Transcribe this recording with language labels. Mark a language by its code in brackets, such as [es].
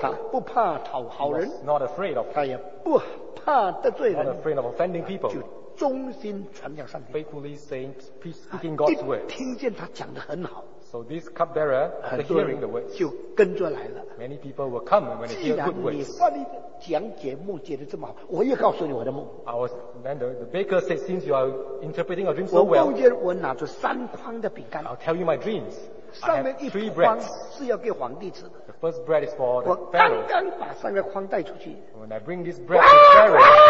[zh] 他不怕讨好人。 [en] He was not afraid of. [zh] 他也不怕得罪人。 [en] Not afraid of offending people. [zh] 就忠心传讲上帝。 [en] Faithfully saying, speaking God's words. [zh] 听见他讲得很好。 [en] So this cupbearer, after hearing the words, [zh] 就跟着来了。 [en] Many people will come when they hear good words. [zh] 既然你翻译讲解梦解得这么好，我也告诉你我的梦。 [en] I was then the baker said, since you are interpreting your dream so well, [zh] 我梦见我拿着三筐的饼干。 [en] I'll tell you my dreams. [zh] 上面一筐是要给皇帝吃的。 [en] The first bread is for the pharaoh. [zh] 我刚刚把上面筐带出去。 [en] When I bring this bread to pharaoh.